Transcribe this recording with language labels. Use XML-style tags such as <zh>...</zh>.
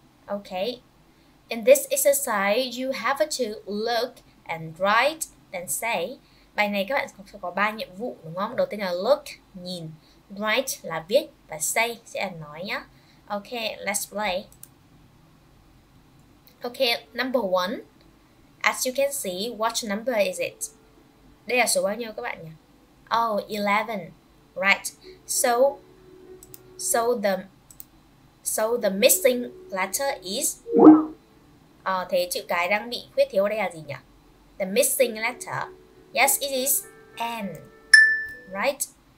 <en>Ok, in this exercise, you have to look and write and say.</en> <vi>Bài này các bạn sẽ có 3 nhiệm vụ đúng không? Đầu tiên là look, nhìn, write là viết và say sẽ là nói nhé.</vi> <en>Ok, let's play. Ok, number 1. As you can see, what number is it?</en> <vi>Đây là số bao nhiêu các bạn nhỉ?</vi> <en>Oh, 11. Right. So the missing letter is...</en> <vi>thế chữ cái đang bị khuyết thiếu đây là gì nhỉ?</vi> <en>The missing letter. Yes, it is N. Right?</en>